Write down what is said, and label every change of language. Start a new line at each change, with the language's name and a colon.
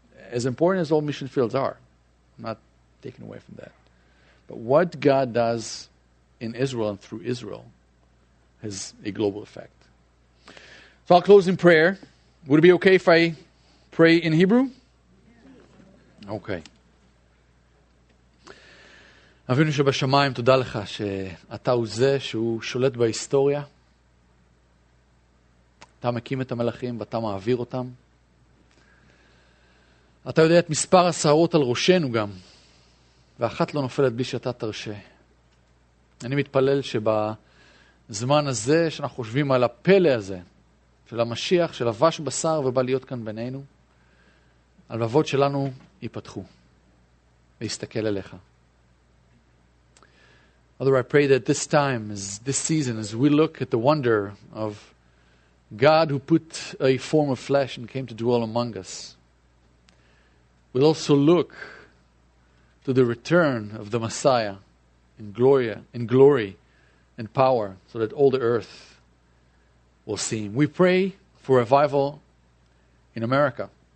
English: As important as all mission fields are, I'm not taking away from that. But what God does in Israel and through Israel has a global effect. So I'll close in prayer. Would it be okay if I pray in Hebrew? Okay.
Hebrew: אבינו שבשמיים, תודה לך שאתה הוא זה שהוא שולט בהיסטוריה. אתה מקים את המלאכים ואתה מעביר אותם. אתה יודע את מספר השערות על ראשנו גם, ואחת לא נופלת בלי שאתה תרשה. אני מתפלל שבזמן הזה שאנחנו חושבים על הפלא הזה, של המשיח, של לבש בשר ובא להיות כאן בינינו, הלבבות שלנו ייפתחו, להסתכל אליך.
English: Father, I pray that this time, this season, as we look at the wonder of God who put a form of flesh and came to dwell among us, we'll also look to the return of the Messiah in glory and power so that all the earth will see him. We pray for revival in America.